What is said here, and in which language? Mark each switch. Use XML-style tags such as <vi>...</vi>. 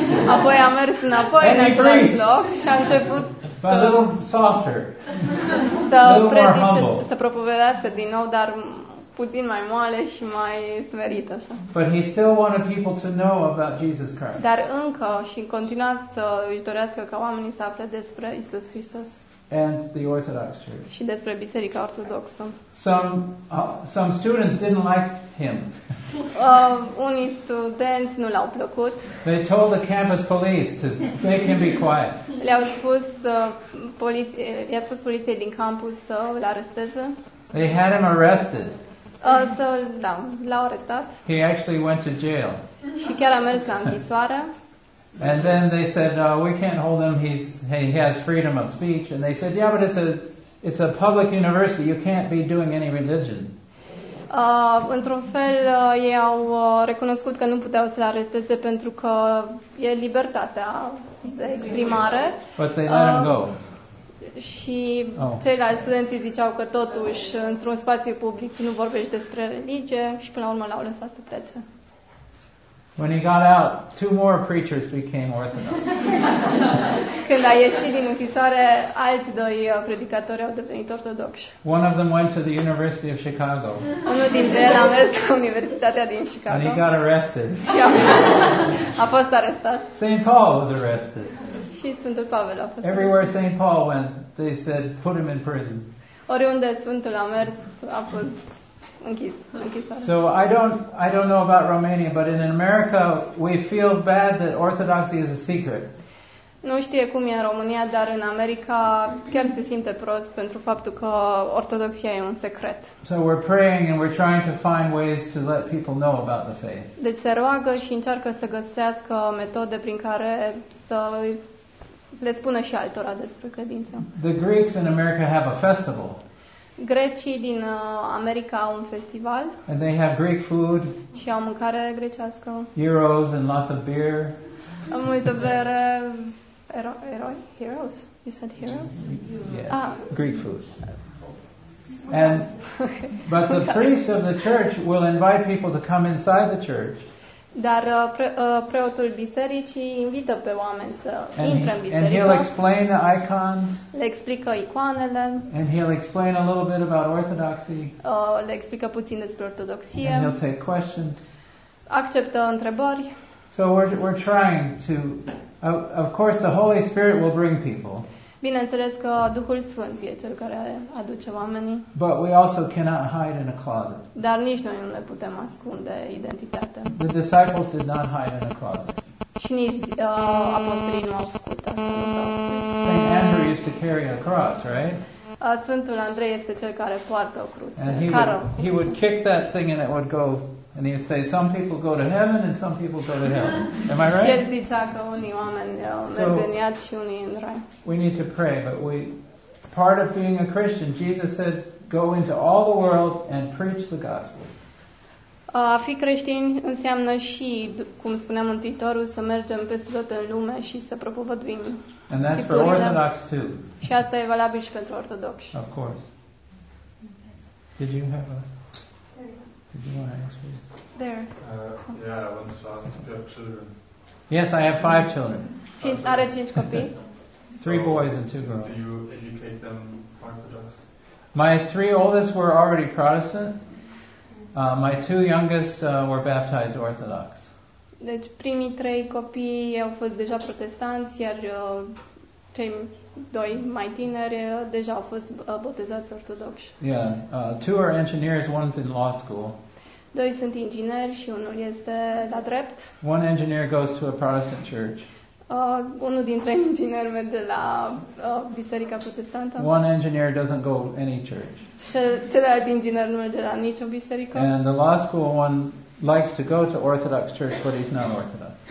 <ro>Apoi a mers înapoi în același loc și a început</ro> <en>a little softer.</en> <ro>Să predice, să propovedească din nou, dar puțin mai moale și mai smerit așa.</ro> <en>But he still wanted people to know about Jesus Christ.</en> <ro>Dar încă și în continuat să își dorească ca oamenii să afle despre Isus Hristos.</ro> <en>And the Orthodox Church.</en> <ro>Și despre biserica ortodoxă.</ro> <en>Some students didn't like him.</en> <ro>Unii studenți nu l-au plăcut.</ro> <en>They told the campus police to make him be quiet.</en> <ro>Le-au spus poliție, i-a spus poliția din campus să îl aresteze.</ro> <en>They had him arrested.</en> <ro>L-au arestat.</ro> <en>He actually went to jail.</en> <ro>Și chiar a mers la închisoare.</ro> <en>And then they said, we can't hold him, he has freedom of speech. And they said, yeah, but it's a public university, you can't be doing any religion.</en> <ro>Într-un fel, ei au recunoscut că nu puteau să-l aresteze pentru că e libertatea de exprimare.</ro> <en>But they let him go.</en> <ro>Și ceilalți studenți ziceau că totuși, într-un spațiu public, nu vorbești despre religie și până la urmă l-au lăsat să plece.</ro> <en>When he got out, two more preachers became Orthodox.</en> <ro>Când a ieșit din închisoare, alți doi predicatori au devenit ortodoxi.</ro> <en>One of them went to the University of Chicago.</en> <ro>Unul dintre ei a mers la Universitatea din Chicago.</ro> <en>And he got arrested.</en> <ro>A fost arestat.</ro> <en>St. Paul was arrested.</en> <ro>Și Sfântul Pavel a fost.</ro> <en>Everywhere St. Paul went, they said, put him in prison.</en> <ro>Oriunde Sfântul a mers, a fost închis.</ro> <en>So I don't know about Romania, but in America we feel bad that orthodoxy is a secret.</en> <ro>Nu știu cum e în România, dar în America chiar se simte prost pentru faptul că ortodoxia e un secret.</ro> <en>So we're praying and we're trying to find ways to let people know about the faith.</en> <ro>Deci se roagă și încearcă să găsească metode prin care să le spună și altora despre credință.</ro> <en>The Greeks in America have a festival.</en> <ro>Grecii din America au un festival.</ro> <en>And they have Greek food.</en> <ro>Și au mâncare grecească.</ro> <en>Heroes and lots of beer.</en> <ro>Multă bere. Eroi?</ro> <en>Heroes? You said heroes? Yeah. Greek food. And but the priest of the church will invite people to come inside the church.</en> <ro>Dar preotul bisericii invită pe oameni să intre în biserică.</ro> <en>And he'll explain the icons.</en> <ro>Le explică icoanele.</ro> <en>And he'll explain a little bit about orthodoxy.</en> <ro>Le explică puțin despre ortodoxie.</ro> <en>And he'll take questions.</en> <ro>Acceptă întrebări.</ro> <en>So we're trying to, of course the Holy Spirit will bring people.</en> <ro>Bineînțeles că Duhul Sfânt e cel care aduce oamenii.</ro> <en>But we also cannot hide in a closet.</en> <ro>Dar nici noi nu ne putem ascunde identitatea.</ro> <en>The disciples did not hide in a closet.</en> <ro>Și nici apostolii nu au făcut asta.</ro> <en>St. Andrew used to carry a cross, right?</en> <ro>Sfântul Andrei este cel care poartă o cruce.</ro> <en>And he would kick that thing and it would go. And he'd say, some people go to heaven and some people go to hell. Am I right?</en> <ro>El zicea că unii oameni merg în iad și unii în rai.</ro> <en>We need to pray, but part of being a Christian, Jesus said, go into all the world and preach the gospel.</en> <ro>A fi creștin înseamnă și, cum spunea Mântuitorul, să mergem peste tot în lume și să propovăduim.</ro> <en>And that's for Orthodox too.</en> <ro>Și asta e valabil și pentru ortodoxi.</ro> <en>Of course. Did you have a... There. Yeah, I want to ask if you have children. Yes, I have five children. Three boys and two girls. Do you educate them Orthodox? My three oldest were already Protestant. My two youngest were baptized Orthodox.</en> <ro>Deci primii trei copii au fost deja protestanți, iar cei doi mai tineri deja au fost botezați ortodoxi.</ro> <en>Yeah, two are engineers, one's in law school.</en> <ro>Doi sunt ingineri și unul este la drept.</ro> <en>One engineer goes to a Protestant church.</en> <ro>Unul dintre ingineri merge la biserica protestantă.</ro> <en>One engineer doesn't go any church.</en> <ro>Celălalt inginer nu merge la nicio biserică.</ro> <en>And the law school one likes to go to Orthodox church, but he's not Orthodox.</en>